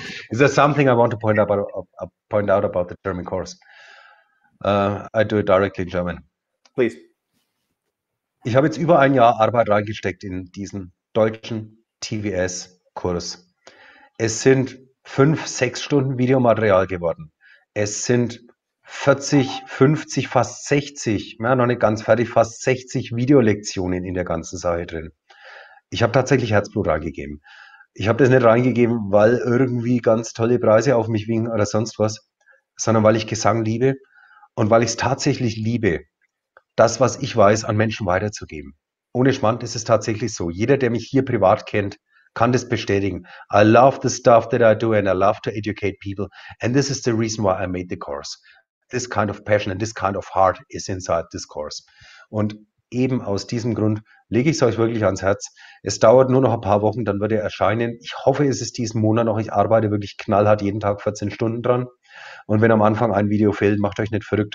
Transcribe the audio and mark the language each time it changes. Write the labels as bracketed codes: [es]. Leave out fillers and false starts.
[en] Is there something I want to point out about the German course? I do it directly in German. Please. [de] Ich habe jetzt über ein Jahr Arbeit reingesteckt in diesen deutschen TVS-Kurs. Es sind 5-6 Stunden Videomaterial geworden. Es sind 40, 50, fast 60, noch nicht ganz fertig, fast 60 Videolektionen in der ganzen Sache drin. Ich habe tatsächlich Herzblut reingegeben. Ich habe das nicht reingegeben, weil irgendwie ganz tolle Preise auf mich winken oder sonst was, sondern weil ich Gesang liebe und weil ich es tatsächlich liebe, das, was ich weiß, an Menschen weiterzugeben. Ohne Schmand ist es tatsächlich so. Jeder, der mich hier privat kennt, kann das bestätigen. [en] I love the stuff that I do and I love to educate people. And this is the reason why I made the course. This kind of passion and this kind of heart is inside this course. [de] Und eben aus diesem Grund lege ich es euch wirklich ans Herz. Es dauert nur noch ein paar Wochen, dann wird er erscheinen. Ich hoffe, es ist diesen Monat noch. Ich arbeite wirklich knallhart jeden Tag 14 Stunden dran. Und wenn am Anfang ein Video fehlt, macht euch nicht verrückt.